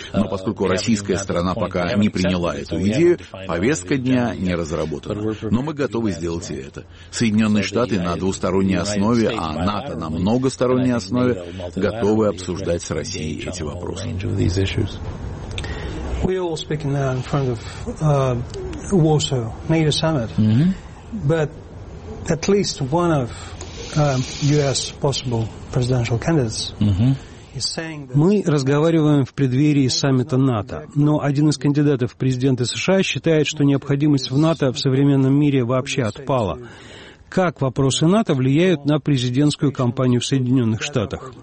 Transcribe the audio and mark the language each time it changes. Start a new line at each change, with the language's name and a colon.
Russian: Но поскольку российская сторона пока не приняла эту идею, повестка дня не разработана. Но мы готовы сделать и это. Соединенные Штаты на двусторонней основе, а НАТО на многосторонней основе, готовы обсуждать с Россией эти вопросы.
English: We're all speaking now in front of Warsaw NATO summit, but at least one of U.S. possible presidential candidates.
Russian: Мы разговариваем в преддверии саммита НАТО, но один из кандидатов в президенты США считает, что необходимость в НАТО в современном мире вообще отпала. Как вопросы НАТО влияют на президентскую кампанию в Соединенных Штатах?